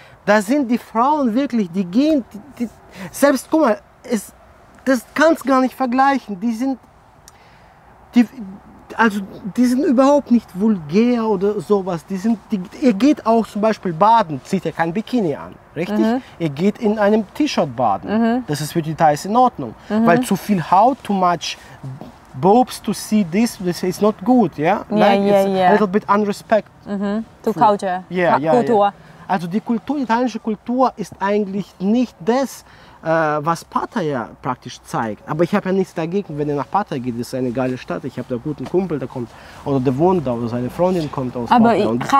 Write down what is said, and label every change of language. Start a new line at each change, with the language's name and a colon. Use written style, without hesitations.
German: Da sind die Frauen wirklich, die gehen, die, selbst guck mal, das kannst du gar nicht vergleichen. Die sind, die, also die sind überhaupt nicht vulgär oder sowas. Die sind, die, ihr geht auch zum Beispiel baden, zieht ihr kein Bikini an, richtig? Mhm. Ihr geht in einem T-Shirt baden. Mhm. Das ist für die Thais in Ordnung. Mhm. Weil zu viel Haut,
English: too much boobs to see this, this is not good, yeah? Yeah, a little bit unrespect. To culture,
German: Kultur.
English: Yeah.
German: Also die Kultur, die thailändische Kultur ist eigentlich nicht das, was Pattaya praktisch zeigt. Aber ich habe ja nichts dagegen, wenn ihr nach Pattaya geht, das ist eine geile Stadt. Ich habe da einen guten Kumpel, der kommt, oder der wohnt da, oder seine Freundin kommt aus Pattaya.